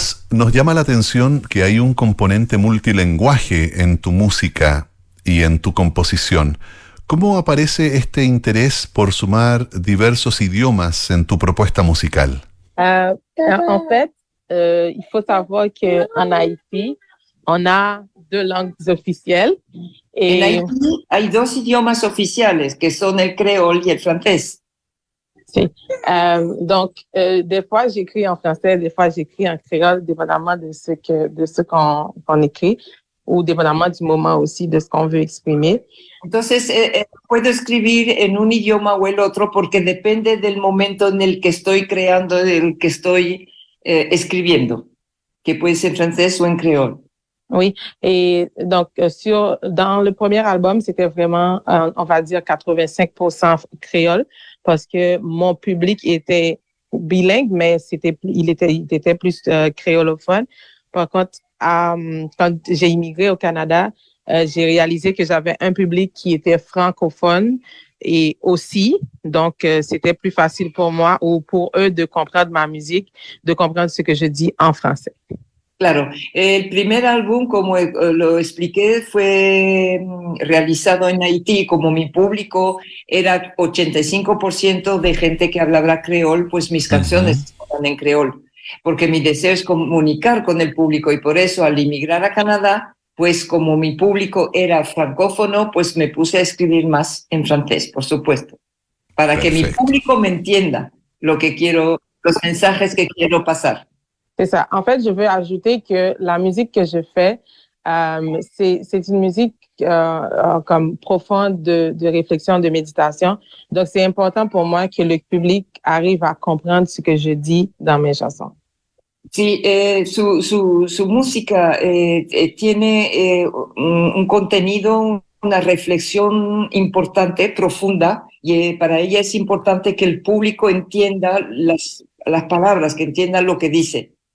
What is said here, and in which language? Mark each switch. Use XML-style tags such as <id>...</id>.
<es>Nos llama la atención que hay un componente multilenguaje en tu música y en tu composición. ¿Cómo aparece este interés por sumar diversos idiomas en tu propuesta musical?</es> <fr>En fait, il faut savoir que en Haïti, on a deux langues officielles. Et en Haïti,</fr> <es>hay dos idiomas oficiales, que son el creole y el francés.</es> <fr>Des fois j'écris en français, des fois j'écris en créole, dépendamment de ce qu'on écrit, ou dépendamment du moment aussi de ce qu'on veut exprimer.</fr> <es>Entonces, puedo escribir en un idioma o el otro porque depende del momento en el que estoy creando, en el que estoy escribiendo, que puede ser francés o en créole.</es> <fr>Oui, et donc dans le premier album, c'était vraiment, on va dire, 85% créole, parce que mon public était bilingue, mais il était plus créolophone. Par contre, quand j'ai immigré au Canada, j'ai réalisé que j'avais un public qui était francophone et aussi, donc c'était plus facile pour moi ou pour eux de comprendre ma musique, de comprendre ce que je dis en français.</fr> <es>Claro, el primer álbum, como lo expliqué, fue realizado en Haití, como mi público era 85% de gente que hablaba creol, pues mis canciones estaban en creol, porque mi deseo es comunicar con el público y por eso al emigrar a Canadá, pues como mi público era francófono, pues me puse a escribir más en francés, por supuesto, para Perfecto. Que mi público me entienda lo que quiero, los mensajes que quiero pasar.</es> <fr>C'est ça. En fait, je veux ajouter que la musique que je fais, c'est une musique comme profonde de réflexion, de méditation. Donc, c'est important pour moi que le public arrive à comprendre ce que je dis dans mes chansons.</fr> <es>Sí, su música tiene un contenido, una reflexión importante, profunda, y para ella es importante que el público entienda las palabras, que entienda lo que dice.</es>